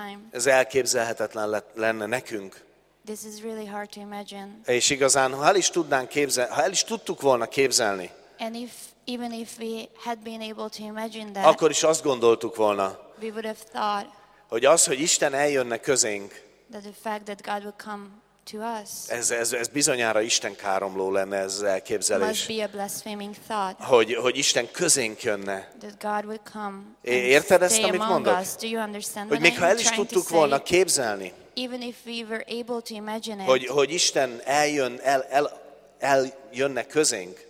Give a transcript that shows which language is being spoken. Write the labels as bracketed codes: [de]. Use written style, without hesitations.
[hu] Ez elképzelhetetlen lenne nekünk. [en] This is really hard to imagine. [hu] És igazán, ha el is tudtuk volna képzelni, [en] and if, even if we had been able to imagine that, [hu] akkor is azt gondoltuk volna, [en] we would have thought, [hu] hogy az, hogy Isten eljönne közénk, [en] that the fact that God would come to us. [hu] Ez bizonyára Isten káromló lenne, ez elképzelés. [en] Must be a blaspheming thought. [hu] Hogy Isten közénk jönne. [en] That God would come. [hu] Érted ezt, amit mondok? [en] Do you understand? [hu] Hogy még ha el is tudtuk volna képzelni, [en] even if we were able to imagine it, [hu] hogy Isten eljön, eljönne közénk,